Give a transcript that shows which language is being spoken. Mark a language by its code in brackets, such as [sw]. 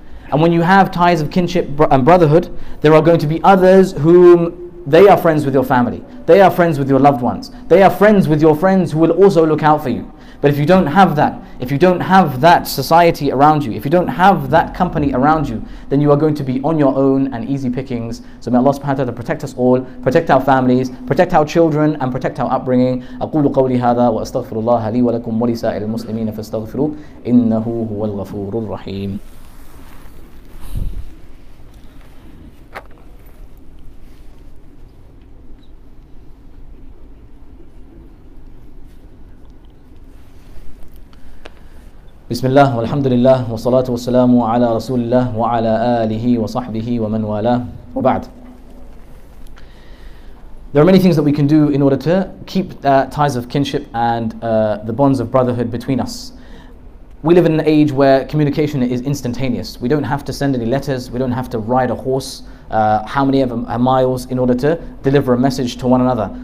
[en] And when you have ties of kinship and brotherhood, there are going to be others whom they are friends with your family. They are friends with your loved ones. They are friends with your friends who will also look out for you. But if you don't have that, if you don't have that society around you, if you don't have that company around you, then you are going to be on your own and easy pickings. So may Allah subhanahu wa ta'ala protect us all, protect our families, protect our children, and protect our upbringing. [ar] أقول قولي هذا وأستغفر الله لي ولكم ولسائر المسلمين فاستغفروا إنه هو الغفور الرحيم. بسم الله والحمد لله والصلاة والسلام على رسول الله وعلى آله وصحبه ومن والاه وبعد. [en] There are many things that we can do in order to keep the ties of kinship and the bonds of brotherhood between us. We live in an age where communication is instantaneous. We don't have to send any letters, we don't have to ride a horse how many ever miles in order to deliver a message to one another.